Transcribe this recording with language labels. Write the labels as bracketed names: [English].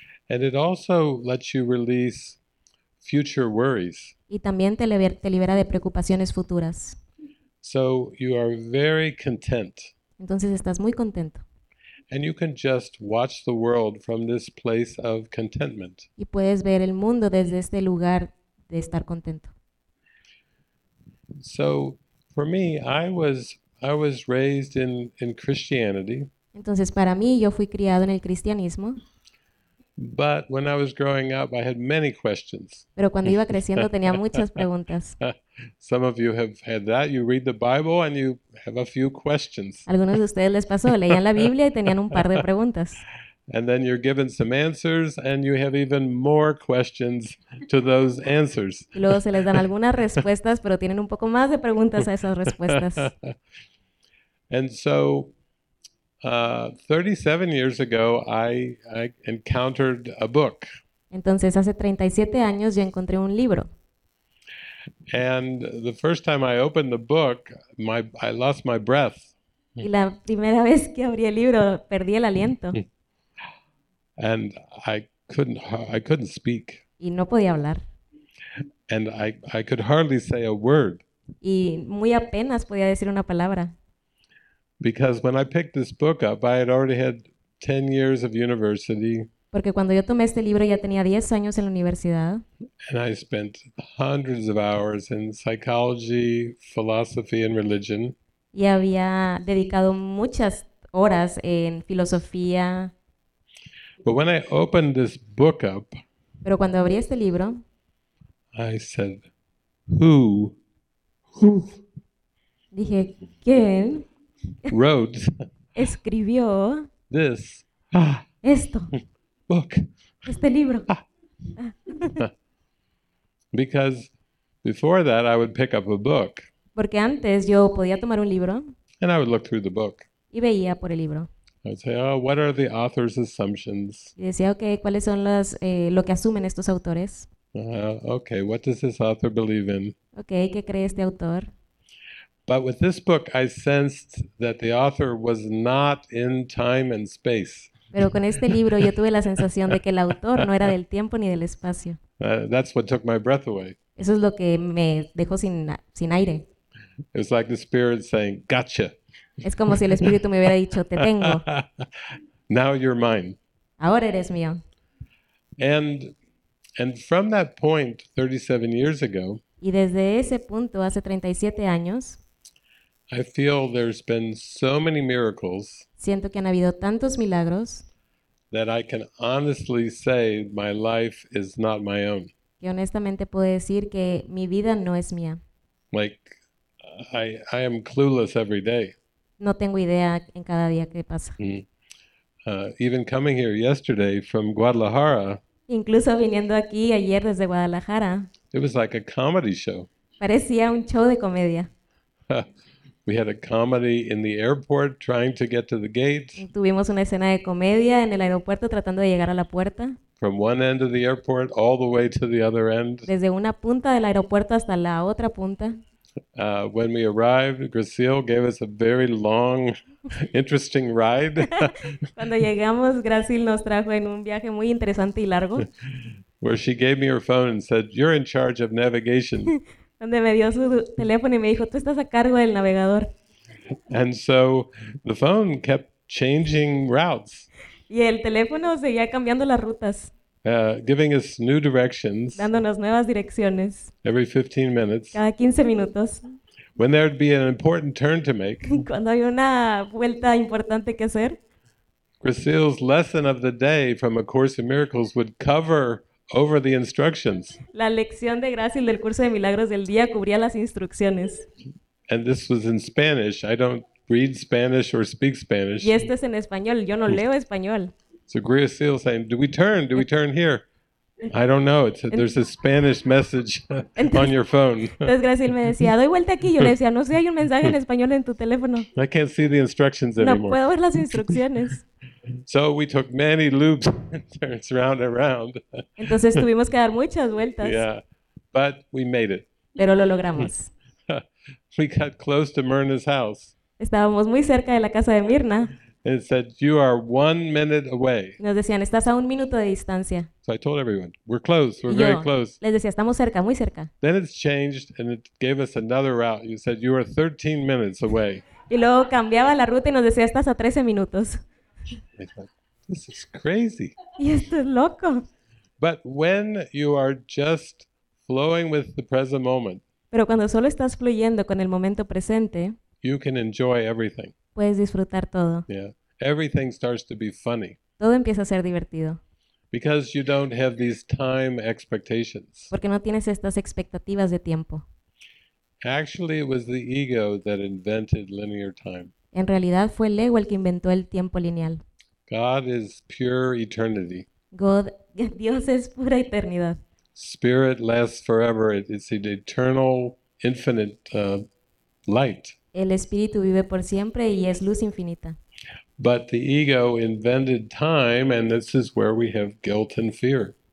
[English] And it also lets you release future worries. [Spanish] Y también te libera de preocupaciones futuras. [English] So you are very content. [Spanish] Entonces estás muy contento. [English] And you can just watch the world from this place of contentment. [Spanish] Y puedes ver el mundo desde este lugar de estar contento. [English] So for me, I was raised in Christianity. [Spanish] Entonces, para mí, yo fui criado en el cristianismo. [English] But when I was growing up, I had many questions. [Spanish] Pero cuando iba creciendo tenía muchas preguntas. [English] Some of you have had that. You read the Bible and you have a few questions. [Spanish] Algunos de ustedes les pasó, leían la Biblia y tenían un par de [English] And [Spanish] preguntas. [English] then you're given some answers and you have even more questions to those answers. [Spanish] Y luego se les dan algunas respuestas, pero tienen un poco más de preguntas a esas respuestas. [English] And so 37 years ago, I encountered a book. [Spanish] Entonces, hace 37 años yo encontré un libro. [English] And the first time I opened the book, I lost my breath. [Spanish] Y la primera vez que abrí el libro, perdí el aliento. [English] And I couldn't speak. [Spanish] Y no podía hablar. [English] And I could hardly say a word. [Spanish] Y muy apenas podía decir una palabra. [English] Because when I picked this book up, I had already had 10 years of university. [Spanish] Porque cuando yo tomé este libro ya tenía 10 años en la universidad. [English] And I spent hundreds of hours in psychology, philosophy, and religion. [Spanish] Y había dedicado muchas horas en filosofía. [English] But when I opened this book up, [Spanish] Pero cuando abrí este libro, [English] I said, "Who? Who [Spanish] dije, ¿quién [English] wrote [Spanish] escribió [English] this [Spanish] esto? [English] book?" [Spanish] Este libro. [English] Because before that, I would pick up a book [Spanish] Porque antes yo podía tomar un libro [English] and I would look through the book. [Spanish] y veía por el libro. [English] I would say, "Oh, what are the author's assumptions? [Spanish] Y decía, ok, ¿cuáles son las lo que asumen estos autores? [English] Okay, what does this author believe in?" [Spanish] Ok, ¿qué cree este autor? [English] But with this book, I sensed that the author was not in time and space. [Spanish] Pero con este libro yo tuve la sensación de que el autor no era del tiempo ni del espacio. [English] That's what took my breath away. [Spanish] Eso es lo que me dejó sin aire. [English] It was like the Spirit saying, "Gotcha." [Spanish] Es como si el Espíritu me hubiera dicho, te tengo. [English] Now you're mine. [Spanish] Ahora eres mío. [English] And from that point, 37 years ago, [Spanish] Y desde ese punto, hace 37 años, [English] I feel there's been so many miracles [Spanish] siento que han habido tantos milagros [English] that I can honestly say my life is not my own. [Spanish] que honestamente puedo decir que mi vida no es mía. [English] Like, I am clueless every day. [Spanish] No tengo idea en cada día qué pasa. [English] Even coming here yesterday from Guadalajara, [Spanish] Incluso viniendo aquí ayer desde Guadalajara, [English] it was like a comedy show. [Spanish] parecía un show de comedia. [English] We had a comedy in the airport trying to get to the gate. [Spanish] Tuvimos una escena de comedia en el aeropuerto tratando de llegar a la puerta. [English] From one end of the airport all the way to the other end. [Spanish] Desde una punta del aeropuerto hasta la otra punta. [English] When we arrived, Gracil gave us a very long, interesting ride. [Spanish] Cuando llegamos, Gracil nos trajo en un viaje muy interesante y largo. [English] Where she gave me her phone and said, "You're in charge of navigation." [Spanish] Donde me dio su teléfono y me dijo, tú estás a cargo del navegador. [English] And so the phone kept changing routes, [Spanish] Y el teléfono seguía cambiando las rutas, [English] giving us new directions [Spanish] dándonos nuevas direcciones [English] every 15 minutes. [Spanish] cada 15 minutos. [English] When there'd be an important turn to make, [Spanish] Cuando hay una vuelta importante que hacer. [English] Gracil's lesson of the day from A Course in Miracles would cover over the instructions. [Spanish] La lección de gracia del curso de milagros del día cubría las instrucciones. [English] And this was in Spanish. I don't read Spanish or speak [Spanish] Y [English] Spanish. [Spanish] esto es en español, yo no leo español. [English] So Gracil saying, "Do we turn? Do we turn here?" I don't know. It's a, there's a Spanish message on [Spanish] Entonces [English] your phone. [Spanish] Graciel me decía, doy vuelta aquí. Yo le decía, no sé, hay un mensaje en español en tu teléfono. [English] I can't see the instructions [Spanish] No [English] anymore. [Spanish] puedo ver las instrucciones. [English] So we took many loops and turns round and round. [Spanish] Entonces tuvimos que dar muchas vueltas, [English] Yeah, but we made [Spanish] pero lo logramos. [English] it. We got close to Myrna's house. [Spanish] Estábamos muy cerca de la casa de Mirna. [English] It said, "You are 1 minute away." [Spanish] Nos decían, estás a 1 minuto de distancia. [English] So I told everyone, "We're close, we're [Spanish] Y [English] very [Spanish] yo [English] close." [Spanish] les decía, estamos cerca, muy cerca. [English] Then it's changed and it gave us another route. You said, "You are 13 minutes away." [Spanish] Y luego cambiaba la ruta y nos decía, estás a 13 minutos. [English] I thought, "This is crazy." [Spanish] Y esto es loco. [English] But when you are just flowing with the present moment, [Spanish] Pero cuando solo estás fluyendo con el momento presente, [English] you can enjoy everything. [Spanish] puedes disfrutar todo. [English] Yeah, everything starts to be funny [Spanish] Todo empieza a ser divertido. [English] because you don't have these time expectations. [Spanish] Porque no tienes estas expectativas de tiempo. [English] Actually, it was the ego that invented linear time. [Spanish] En realidad fue el ego el que inventó el tiempo lineal. [English] God is pure eternity. God, [Spanish] Dios es pura eternidad. [English] Spirit lasts forever. It's an eternal, infinite light. [Spanish] El espíritu vive por siempre y es luz infinita. [English] But the ego invented time, and this is where we have guilt and fear.